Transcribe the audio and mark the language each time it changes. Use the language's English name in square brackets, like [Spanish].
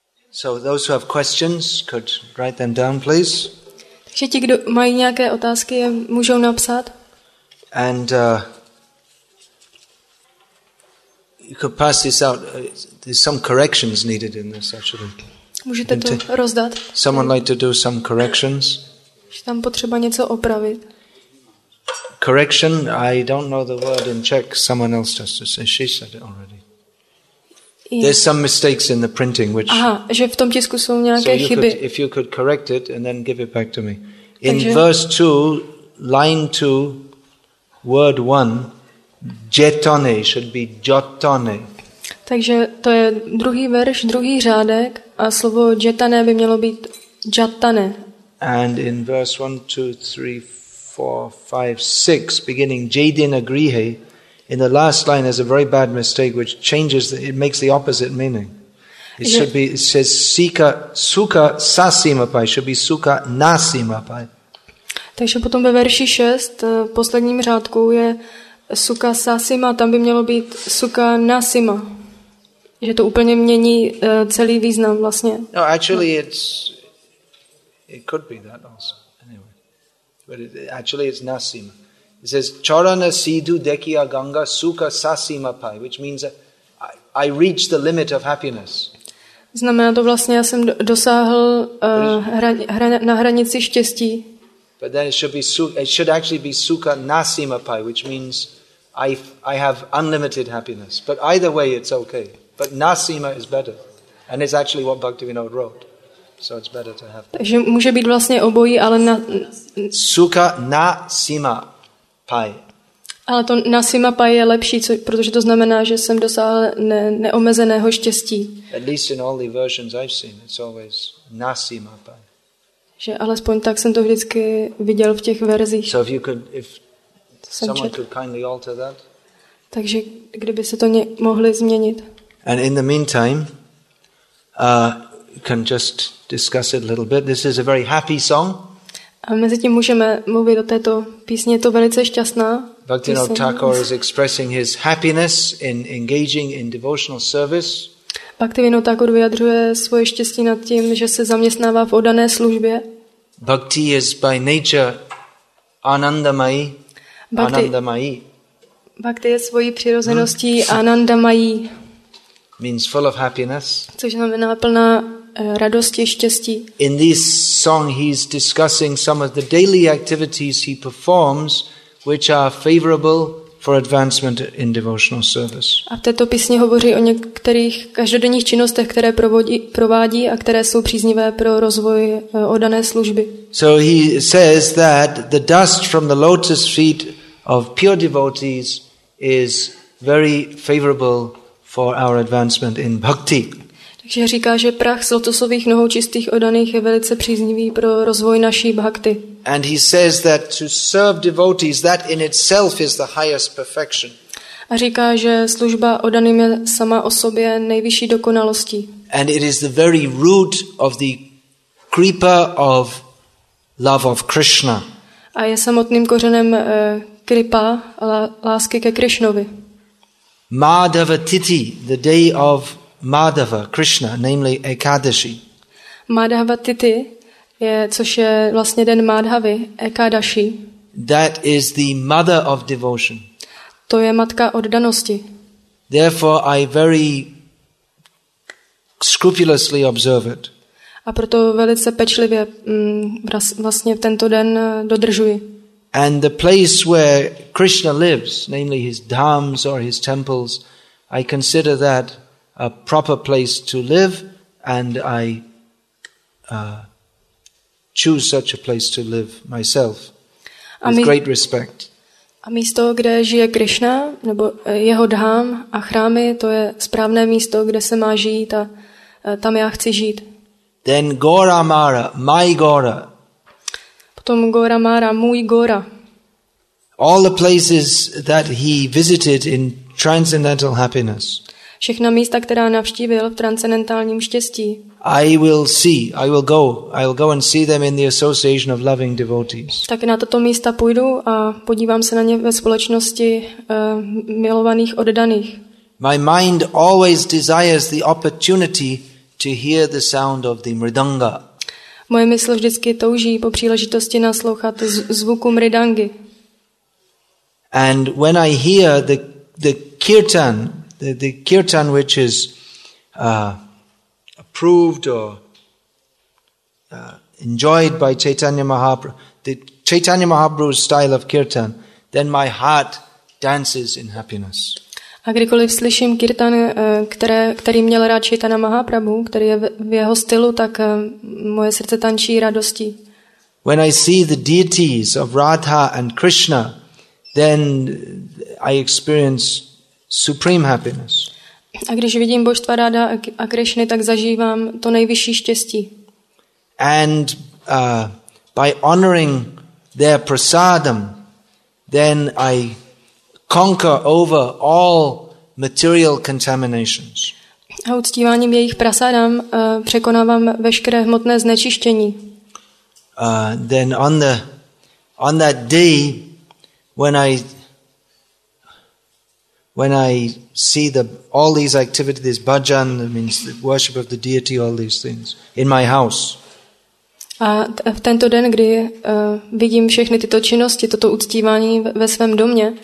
[English] So those who have questions could write them down, please. [Czech] Takže ti, kdo mají nějaké otázky, je můžou napsat. [English] And you could pass this out. There's some corrections needed in this, actually. [Czech] Můžete to rozdat. [English] Someone like to do some corrections? [Czech] Je tam potřeba něco opravit. [English] Correction, I don't know the word in Czech. Someone else just said, she said it already. Yeah. There's some mistakes in the printing which [Czech] aha, že v tom tisku jsou nějaké chyby. [English] So if you could correct it and then give it back to me. In [Czech] takže [English] verse 2, line 2, word 1, jetone should be jotone. [Czech] Takže to je druhý verš, druhý řádek a slovo jetone by mělo být jatane. [English] And in verse 1 2 3 4 5 6 beginning jadin agrihe in the last line is a very bad mistake which changes the, it makes the opposite meaning. It should be, it says [Bangla] sika suka sasimapai, [English] should be suka nasimapai. [Czech] Takže potom ve verši 6 posledním řádku je suka sasima, tam by mělo být suka nasima. Že to úplně mění celý význam vlastně. [English] No, actually it could be that also. Anyway. But actually it's nasima. It says [Bangla] charana sidu dekia ganga suka sasima pai, [English] which means I reach the limit of happiness. [Czech] Znamená to vlastně, já jsem dosáhl na hranici štěstí. [English] But then it should actually be suka nasima pai, which means I have unlimited happiness. But either way it's okay. But nasima is better. And it's actually what Bhaktivinoda wrote. So it's better to have. [Czech] Takže může být vlastně obojí, ale na [Bangla] suka na sima pai. [Czech] Ale to na sima pai je lepší, protože to znamená, že jsem dosáhl neomezeného štěstí. [English] At least in all the versions I've seen, it's always na sima pai. [Czech] Že alespoň tak jsem to vždycky viděl v těch verzích. [English] So if someone could kindly alter that. [Czech] Takže kdyby se to mohli změnit. [English] And in the meantime, can just discuss it a little bit. This is a very happy song. [Czech] A mezi tím můžeme mluvit o této písni. Je to velice šťastná. [English] Bhaktivinoda Thakur is expressing his happiness in engaging in devotional service. [Czech] Bhaktivinoda Thakur vyjadřuje svoje štěstí nad tím, že se zaměstnává v oddané službě. [English] Bhakti is by nature anandamayi. Anandamayi. [Czech] Bhakti je svojí přirozeností anandamayi. [English] Means full of happiness. [Czech] Což znamená plná radosti, štěstí. [English] In this song he's discussing some of the daily activities he performs which are favorable for advancement in devotional service. [Czech] A v této písni hovoří o některých každodenních činnostech, které provádí a které jsou příznivé pro rozvoj oddané služby. [English] So he says that the dust from the lotus feet of pure devotees is very favorable for our advancement in bhakti. [Czech] Takže říká, že prach z lotosových nohou čistých oddaných je velice příznivý pro rozvoj naší bhakti. [English] And he says that to serve devotees that in itself is the highest perfection. [Czech] A říká, že služba oddaným je sama o sobě nejvyšší dokonalostí. [English] And it is the very root of the creeper of love of Krishna. [Czech] A je samotným kořenem kripa, lásky ke Krishnovi. [English] Madhava Tithi, the day of Madhava, Krishna, namely Ekadashi. [Czech] Madhava Tithi, což je vlastně den Madhavy, Ekadashi. [English] That is the mother of devotion. [Czech] To je matka oddanosti. [English] Therefore I very scrupulously observe it. [Czech] A proto velice pečlivě vlastně tento den dodržuji. [English] And the place where Krishna lives, namely his dhams or his temples, I consider that a proper place to live, and I choose such a place to live myself with great respect. [Czech] A místo, kde žije Krishna, nebo jeho dhám a chrámy, to je správné místo, kde se má žít a tam já chci žít. [English] Then Gora Mara, my Gora. [Czech] Potom Gora Mara, můj Gora. [English] All the places that he visited in transcendental happiness. [Czech] Všechna místa, která navštívil v transcendentálním štěstí. [English] I will go and see them in the association of loving devotees. [Czech] Tak na tato místa půjdu a podívám se na ně ve společnosti milovaných oddaných. [English] My mind always desires the opportunity to hear the sound of the mridanga. [Czech] Moje mysl vždycky touží po příležitosti naslouchat zvuku mridangy. [English] And when I hear the kirtan which is approved or enjoyed by Chaitanya Mahaprabhu, the Chaitanya Mahaprabhu's style of kirtan, then my heart dances in happiness. [Czech] A kdykoliv slyším kirtan, který měl rád Chaitanya Mahaprabhu, který je v jeho stylu, tak moje srdce tančí radostí. [English] When I see the deities of Radha and Krishna, then I experience supreme happiness. [Czech] A když vidím božstva Radha a Krishny, tak zažívám to nejvyšší štěstí. [English] And by honoring their prasadam, then I conquer over all material contaminations. [Czech] A uctíváním jejich prasadam překonávám veškeré hmotné znečištění. [English] Then on that day when I see all these activities, this bhajan, that means the worship of the deity, all these things in my house. [Czech] A v tento den, kdy vidím všechny tyto činnosti, toto uctívání ve svém domě.